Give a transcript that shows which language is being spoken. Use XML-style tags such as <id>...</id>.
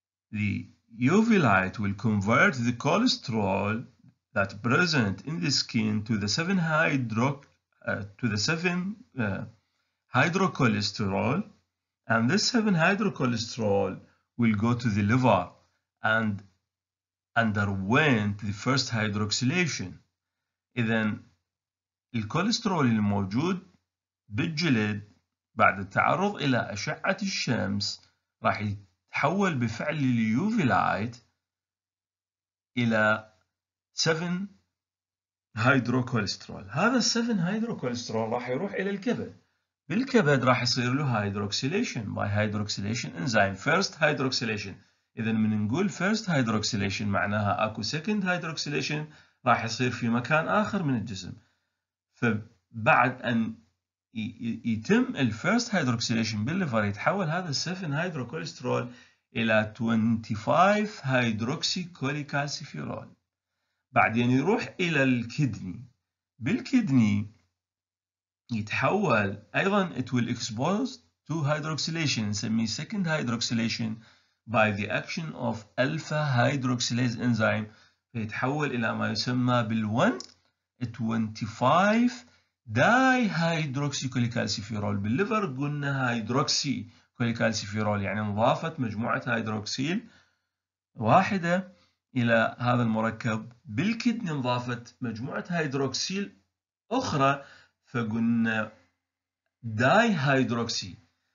<en>The UV light will convert the cholesterol that present in the skin to the 7-hydrocholesterol, and this 7-hydrocholesterol will go to the liver and underwent the first hydroxylation.</en> <ar>إذن الكوليسترول الموجود بالجلد بعد التعرض إلى أشعة الشمس راح يتحول بفعل اليوفي لايت إلى 7-hydrocholesterol. هذا 7-hydrocholesterol راح يروح إلى الكبد. بالكبد راح يصير له</ar> <en>hydroxylation by hydroxylation enzyme. First hydroxylation.</en> <ar>إذا من نقول</ar> <en>first hydroxylation</en> <ar>معناها اكو</ar> <en>second hydroxylation</en> <ar>راح يصير في مكان آخر من الجسم. فبعد أن يتم ال</ar> <en>first hydroxylation</en> <ar>بالليفر يتحول هذا 7 hydrocholesterol إلى 25 hydroxycholecalciferol. بعدين يروح إلى الكدني. بالكدني يتحول أيضا</ar> <en>it will expose to hydroxylation</en> <ar>نسميه</ar> <en>second hydroxylation by the action of alpha hydroxylase enzyme</en> <ar>فيتحول إلى ما يسمى بال</ar> <en>1-25-dihydroxycholecalciferol.</en> <ar>بالليفر قلنا hydroxycholecalciferol يعني انضافت مجموعة هيدروكسيل واحدة إلى هذا المركب. بالكدني انضافت مجموعة هيدروكسيل أخرى فقلنا dihydroxy.</ar>